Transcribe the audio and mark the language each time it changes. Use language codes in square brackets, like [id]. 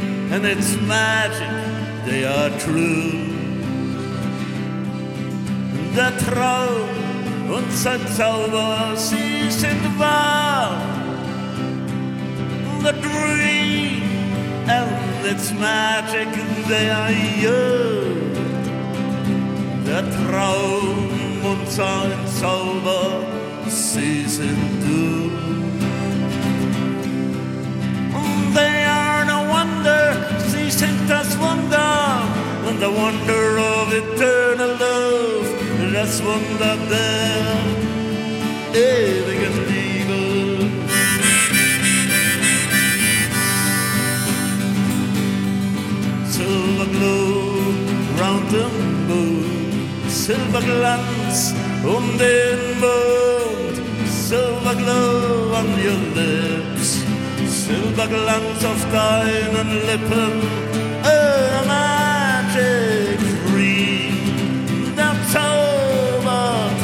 [en] and it's magic, they are true. [de] Der Traum, unser Zauber, sie sind wahr. [en] The dream, and it's magic, they are you. [de] Der Traum, unser Zauber, sie sind du. [en] They are no wonder, [de] sie sind das Wunder, [en] and the wonder of eternal love. [de] Das Wunder der ewigen Liebe. [en] Silver glow round the moon, silver [de] glanz um den Mond. [en] Silver glow on your lips, silver [de] glanz auf deinen Lippen. [en] Oh, magic dream, that's all.